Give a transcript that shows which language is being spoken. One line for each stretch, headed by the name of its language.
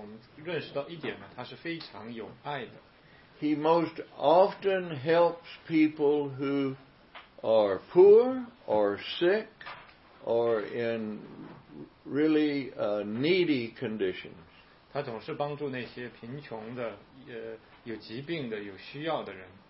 Chinese: 那我们学习耶稣的生活的时候，我们认识到一点嘛，他是非常有爱的。
English: He most often helps people who are poor or sick or in really needy conditions.
Chinese: 他总是帮助那些贫穷的、有疾病的、有需要的人。